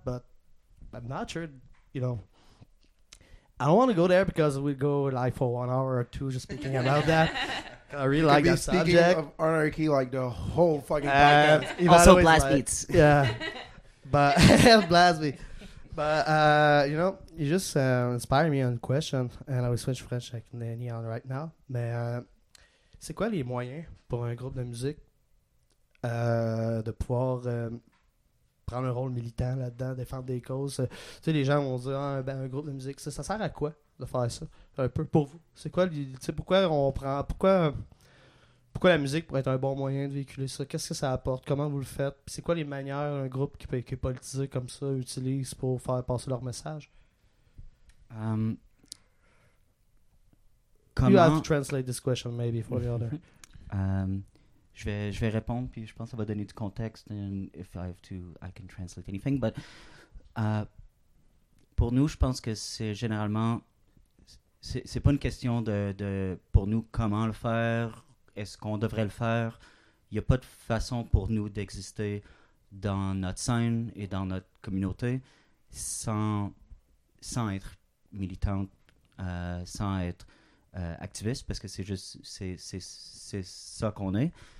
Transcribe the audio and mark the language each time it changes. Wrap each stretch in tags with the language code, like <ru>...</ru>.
<en>But I'm not sure. You know, I don't want to go there because we go like for 1 hour or two just speaking about that. I really like that subject. Of anarchy, like the whole fucking podcast. Also, blast beats. Yeah. But blast me. But you know, you just inspire me on the question, and I will switch French avec Nanny on right now.</en> <fr>Mais c'est quoi les moyens pour un groupe de musique de pouvoir prendre un rôle militant là-dedans, défendre des causes? Tu sais, les gens vont dire ah, ben, un groupe de musique, ça sert à quoi de faire ça? Un peu pour vous. C'est quoi, tu sais, pourquoi la musique pourrait être un bon moyen de véhiculer ça? Qu'est-ce que ça apporte? Comment vous le faites? Puis c'est quoi les manières un groupe qui peut être politisé comme ça utilise pour faire passer leur message?</fr> <en>You have to translate this question maybe for the other.</en> <fr>Je vais répondre, puis je pense que ça va donner du contexte.</fr> <en>And if I have to, I can translate anything.</en> <fr>But pour nous, je pense que c'est généralement... C'est pas une question de pour nous, comment le faire... Est-ce qu'on devrait le faire? Il n'y a pas de façon pour nous d'exister dans notre scène et dans notre communauté sans être militante, sans être activiste, parce que c'est juste c'est ça qu'on est.</fr>